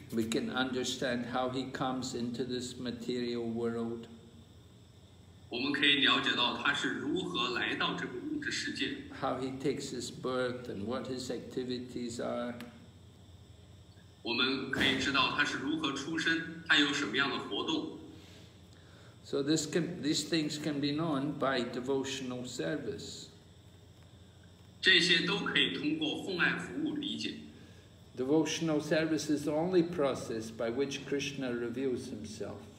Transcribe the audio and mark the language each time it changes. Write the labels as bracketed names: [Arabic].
[English] We can understand how he comes into this material world. [Chinese] 我们可以了解到他是如何来到这个物质世界。 [English] How he takes his birth and what his activities are. [Chinese] 我们可以知道他是如何出生，他有什么样的活动。 [English] So these things can be known by devotional service. [Chinese] 这些都可以通过奉爱服务理解。 [English] Devotional service is the only process by which Krishna reveals himself.